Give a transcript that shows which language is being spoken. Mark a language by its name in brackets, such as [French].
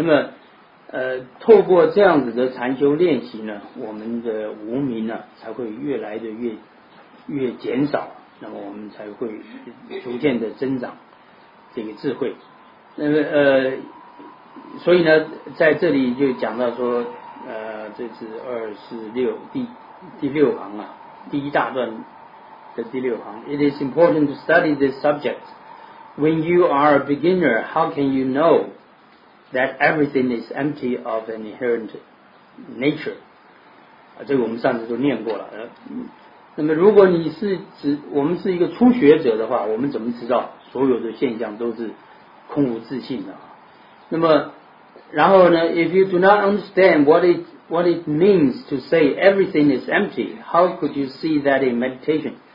[Chinese] 那么透过这样子的禅修练习呢，我们的无明呢、才会越来的越减少，那么我们才会逐渐的增长这个智慧。那么所以呢，在这里就讲到说，这是246第六行啊，第一大段的第六行。 [English] It is important to study this subject. When you are a beginner, how can you know that everything is empty of an inherent nature？ [Chinese] 啊，这个我们上次都念过了。那么如果你是我们是一个初学者的话，我们怎么知道所有的现象都是空无自性的？那么然后呢， [English] If you do not understand what it means to say everything is empty, how could you see that in meditation?